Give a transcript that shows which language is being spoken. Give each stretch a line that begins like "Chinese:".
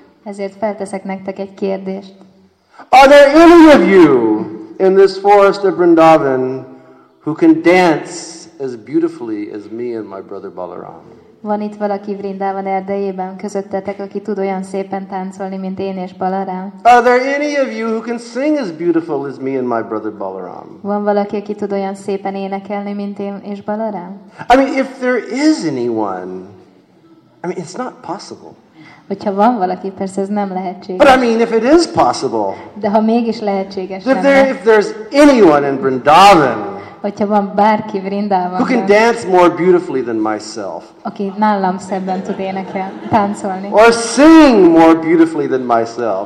Hungarian: Ezért felteszek nektek egy kérdést.
English: Are there any of you in this forest of Vrindavan who can dance as beautifully as me and my brother Balaram?
Hungarian: Van itt valaki Vrindavan erdejében közöttetek, aki tud olyan szépen táncolni, mint én és Balaram?
English: Are there any of you who can sing as beautiful as me and my brother Balaram?
Hungarian: Van valaki, aki tud olyan szépen énekelni, mint én és Balaram?
English: I mean, if there is anyone, I mean, it's not possible.
Hungarian: Hogyha van valaki, persze ez nem lehetséges.
English: But I mean, if it is possible.
Hungarian: De ha mégis lehetséges.
English: If there's anyone in Vrindavan.
Hungarian: Hogyha van bárki Vrindavanban.
English: Who can dance more beautifully than myself?
Hungarian: Aki nálam szebben tud énekelni, táncolni.
English: Or sing more beautifully than myself.